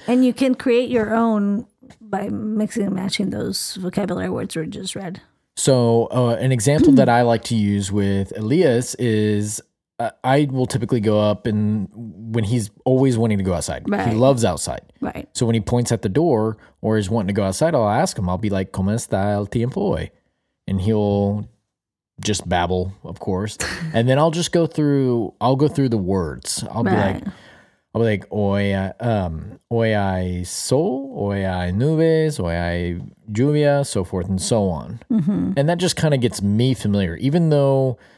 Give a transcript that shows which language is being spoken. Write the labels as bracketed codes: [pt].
[en] And you can create your own by mixing and matching those vocabulary words we just read. So an example that I like to use with Elias is I will typically go up and when he's always wanting to go outside. Right. He loves outside. Right. So when he points at the door or is wanting to go outside, I'll ask him. I'll be like, [es] ¿Cómo está el tiempo hoy? [en] And he'll just babble, of course. And then I'll just go through the words. I'll be like, [es] hoy hay sol, hoy hay nubes, hoy hay lluvia, [en] so forth and so on. Mm-hmm. And that just kind of gets me familiar, even though